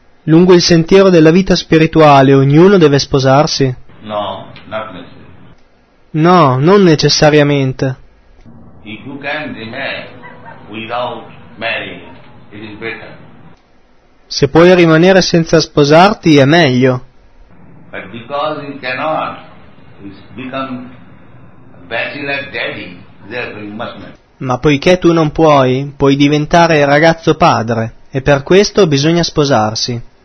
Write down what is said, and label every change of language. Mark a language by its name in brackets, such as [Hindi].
[Italian] lungo il sentiero della vita spirituale ognuno deve sposarsi? [English] No, not necessary. [Italian] No, non necessariamente. [English] If you can remain without marrying, it is better. [Italian] Se puoi rimanere senza sposarti è meglio. [English] But because you cannot, you become bachelor daddy, therefore you must marry. [Italian] Ma poiché tu non puoi, puoi diventare ragazzo padre, e per questo bisogna sposarsi.